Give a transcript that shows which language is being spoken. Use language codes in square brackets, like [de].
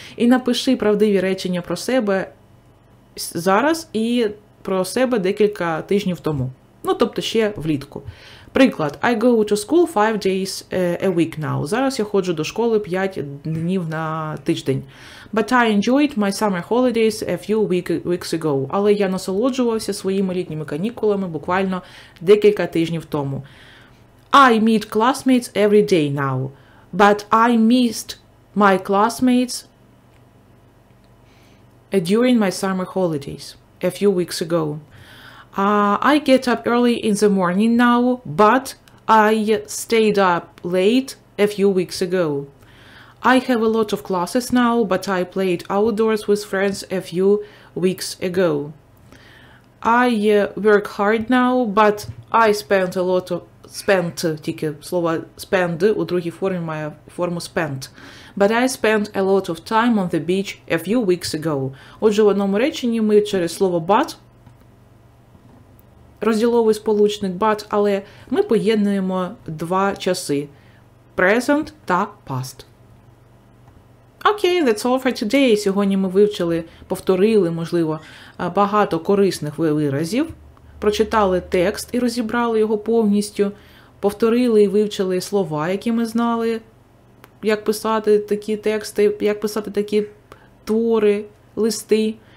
[uk] І напиши правдиві речення про себе зараз і про себе декілька тижнів тому. Ну, тобто ще влітку. Приклад. [en] I go to school 5 days a week now. [uk] Зараз я ходжу до школи 5 днів на тиждень. [en] But I enjoyed my summer holidays a few weeks ago. [uk] Але я насолоджувався своїми літніми канікулами буквально декілька тижнів тому. [en] I meet classmates every day now. But I missed my classmates during my summer holidays a few weeks ago. I get up early in the morning now, but I stayed up late a few weeks ago. I have a lot of classes now, but I played outdoors with friends a few weeks ago. I work hard now, but I spent a lot of spent, [uk] тільки слово spend у другій формі має форму spent. [en] But I spent a lot of time on the beach a few weeks ago. [uk] Отже, в одному реченні ми через слово but розділовий сполучник but, але ми поєднуємо два часи: present та past. [en] Okay, that's all for today. [uk] Сьогодні ми вивчили, повторили, можливо, багато корисних виразів, прочитали текст і розібрали його повністю, повторили і вивчили слова, які ми знали, як писати такі тексти, як писати такі твори, листи.